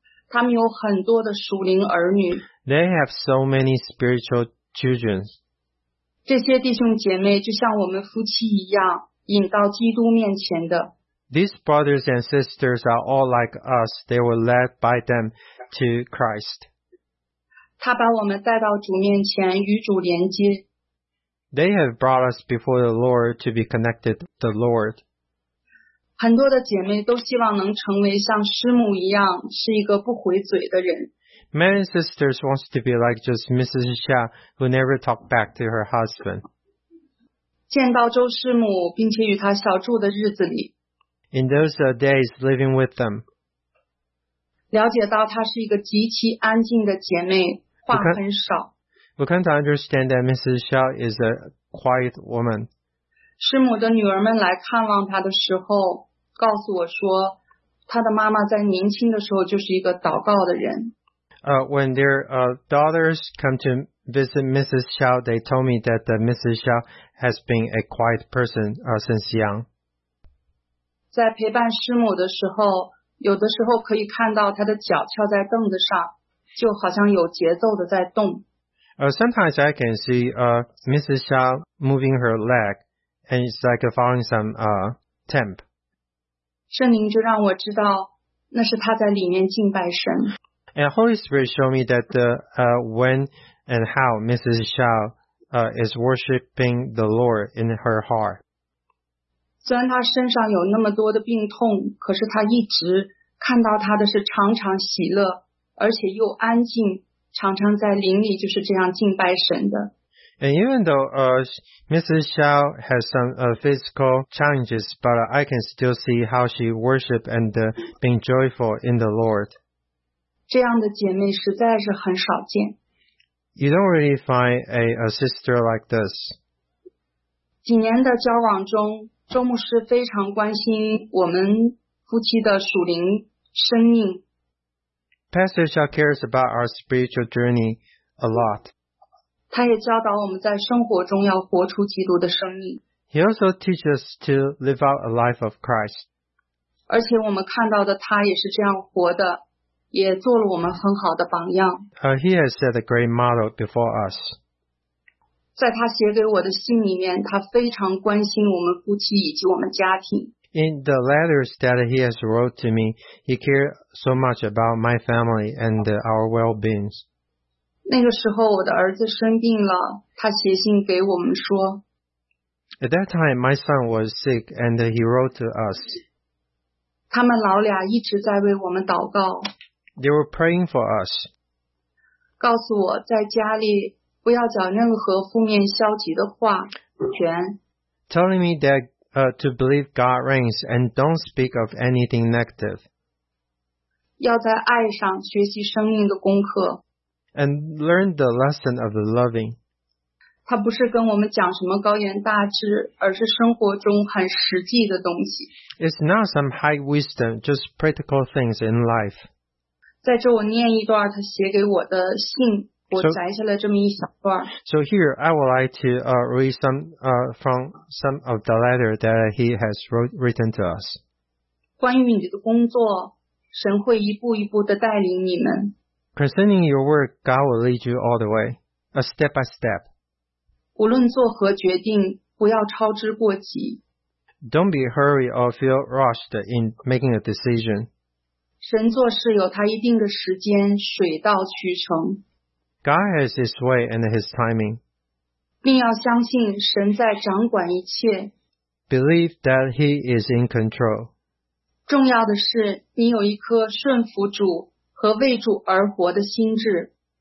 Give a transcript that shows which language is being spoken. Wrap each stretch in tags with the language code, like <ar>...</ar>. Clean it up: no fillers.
<zh>他们有很多的属灵儿女。</zh> <en>They have so many spiritual children.</en> <zh>这些弟兄姐妹就像我们夫妻一样，引到基督面前的。</zh> <en>These brothers and sisters are all like us. They were led by them to Christ.</en> <zh>他把我们带到主面前，与主连接。</zh> <en>They have brought us before the Lord to be connected to the Lord.</en> <zh>很多的姐妹都希望能成为像师母一样是一个不回嘴的人。</zh> <en>Many sisters want to be like just Mrs. Xia who never talked back to her husband.</en> <zh>见到周师母并且与她小住的日子里。</zh> <en>In those days living with them.</en> <zh>了解到她是一个极其安静的姐妹，话很少。</zh> <en>We come to understand that Mrs. Xia is a quiet woman.</en> <zh>师母的女儿们来看望她的时候告诉我说，她的妈妈在年轻的时候就是一个祷告的人。</zh> <en>When their daughters come to visit Mrs. Xiao, they told me that Mrs. Xiao has been a quiet person since young.</en> <zh>在陪伴师母的时候，有的时候可以看到她的脚翘在凳子上，就好像有节奏的在动。</zh> <en>Sometimes I can see Mrs. Xiao moving her leg. And it's like following some temp.</en> <zh>圣灵就让我知道那是他在里面敬拜神。</zh> <en>And Holy Spirit showed me that when and how Mrs. Xiao is worshiping the Lord in her heart.</en> <zh>虽然他身上有那么多的病痛，可是他一直看到他的是常常喜乐，而且又安静，常常在灵里就是这样敬拜神的。</zh> <en>And even though Mrs. Xiao has some physical challenges, but I can still see how she worships and being joyful in the Lord.</en> <zh>这样的姐妹实在是很少见。</zh> <en>You don't really find a sister like this.</en> <zh>几年的交往中，周牧师非常关心我们夫妻的属灵生命。</zh> <en>Pastor Xiao cares about our spiritual journey a lot.</en> <zh>他也教导我们在生活中要活出基督的生命。</zh> <en>He also teaches us to live out a life of Christ.</en> <zh>而且我们看到的他也是这样活的，也做了我们很好的榜样。</zh> <en>He has set a great model before us.</en> <zh>在他写给我的信里面，他非常关心我们夫妻以及我们家庭。</zh> <en>In the letters that he has wrote to me, he cares so much about my family and our well-being.</en> <zh>那个时候我的儿子生病了，他写信给我们说。</zh> <en>At that time, my son was sick and he wrote to us.</en> <zh>他们老俩一直在为我们祷告。</zh> <en>They were praying for us.</en> <zh>告诉我在家里不要讲任何负面消极的话。</zh> <en>Telling me that to believe God reigns and don't speak of anything negative.</en> <zh>要在爱上学习生命的功课。</zh> <en>And learn the lesson of the loving.</en> <zh>他不是跟我们讲什么高言大智，而是生活中很实际的东西。</zh> <en>It's not some high wisdom, just practical things in life.</en> <zh>在这我念一段他写给我的信，我摘下了这么一小段。</zh> <en>So here I would like to read some from some of the letter that he has written to us.</en> <zh>关于你的工作，神会一步一步的带领你们。</zh> <en>Concerning your work, God will lead you all the way, step by step.</en> <zh>无论做何决定，不要操之过急。</zh> <en>Don't be hurried or feel rushed in making a decision.</en> <zh>神做事有他一定的时间，水到渠成。</zh> <en>God has His way and His timing.</en> <zh>并要相信神在掌管一切。</zh> <en>Believe that He is in control.</en> <zh>重要的是你有一颗顺服主和为主而活的心智。</zh>